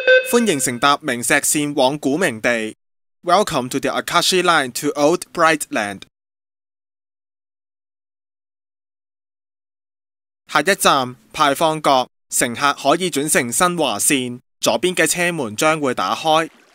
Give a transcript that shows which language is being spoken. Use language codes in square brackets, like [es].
[zh] 欢迎乘搭明石线往古明地。 [en] Welcome to the Akashi Line to Old Bright Land. [zh] 下一站，牌坊阁，乘客可以转乘新华线，左边的车门将会打开。